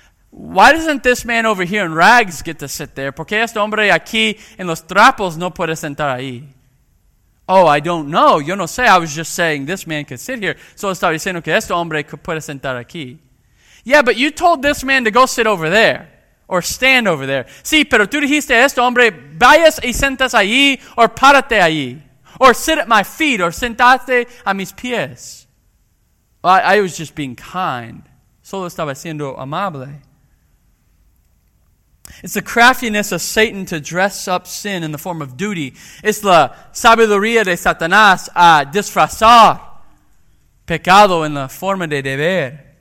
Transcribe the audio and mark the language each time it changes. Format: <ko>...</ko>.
<en>Why doesn't this man over here in rags get to sit there?</en> <es>¿Por qué este hombre aquí en los trapos no puede sentar ahí?</es> <en>Oh, I don't know.</en> <es>Yo no sé.</es> <en>I was just saying this man could sit here.</en> <es>So estaba diciendo que este hombre puede sentar aquí.</es> <en>Yeah, but you told this man to go sit over there. Or stand over there.</en> <es>Sí, pero tú dijiste a este hombre, vayas y sentas allí, or párate allí.</es> <en>Or sit at my feet, or</en> <es>sentate a mis pies.</es> <en>I was just being kind.</en> <es>Solo estaba siendo amable.</es> <en>It's the craftiness of Satan to dress up sin in the form of duty.</en> <es>Es la sabiduría de Satanás a disfrazar pecado en la forma de deber.</es>